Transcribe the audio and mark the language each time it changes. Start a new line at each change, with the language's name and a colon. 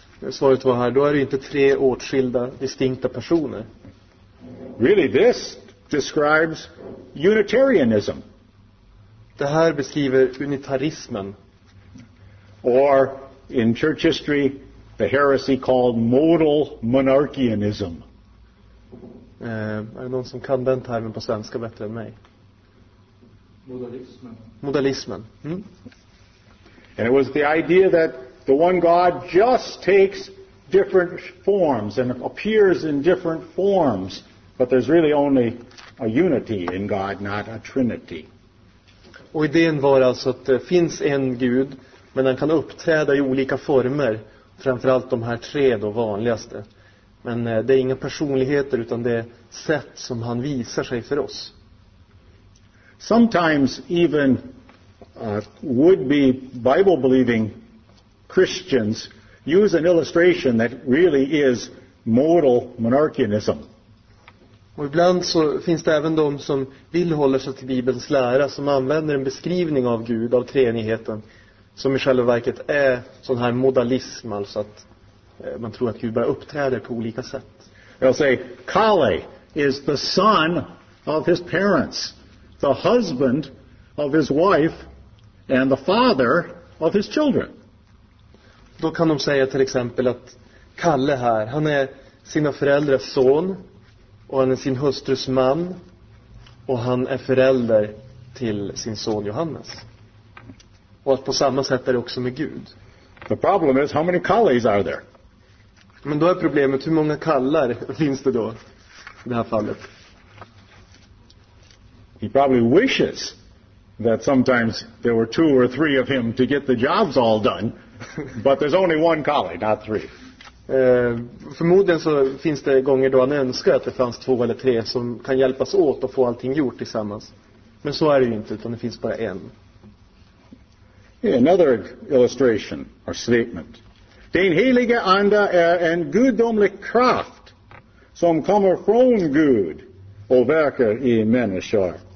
Swedish: Svaret var här, då är det inte tre åtskilda, distinkta personer.
English: Really, this describes unitarianism.
Swedish: Det här beskriver unitarismen.
English: Or, in church history, the heresy called modal monarchianism.
Swedish: Är det någon som kan den termen på svenska bättre än mig? Modalismen.
English: And it was the idea that the one God just takes different forms and appears in different forms, but there's really only a unity in God, not a trinity.
Swedish: Och idén var alltså att det finns en Gud, men han kan uppträda i olika former, framförallt de här tre då vanligaste. Men det är inga personligheter, utan det är sätt som han visar sig för oss.
English: Sometimes even would be Bible believing Christians use an illustration that really is modal monarchianism.
Swedish: Och ibland så finns det även de som vill hålla sig till Bibelns lära som använder en beskrivning av Gud, av treenigheten, som i själva verket är sån här modalism, alltså att man tror att Gud bara uppträder på olika sätt.
English: They'll say Kali is the son of his parents, the husband of his wife, and the father of his children.
Swedish: Då kan de säga till exempel att Kalle här, han är sina föräldrars son och han är sin hustrus man och han är förälder till sin son Johannes. Och att på samma sätt är det också med Gud.
English: The problem is, how many Kalles are there?
Swedish: Men då är problemet, hur många Kallar finns det då i det här fallet?
English: He probably wishes that sometimes there were two or three of him to get the jobs all done. But there's only one Kali, not three.
Swedish: Förmodligen så finns det gånger då han önskar att det fanns två eller tre som kan hjälpas åt att få allting gjort tillsammans. Men så är det ju inte, utan det finns bara en.
English: Yeah, another illustration or statement.
Swedish: Den heliga ande är en gudomlig kraft som kommer från Gud och verkar i människor.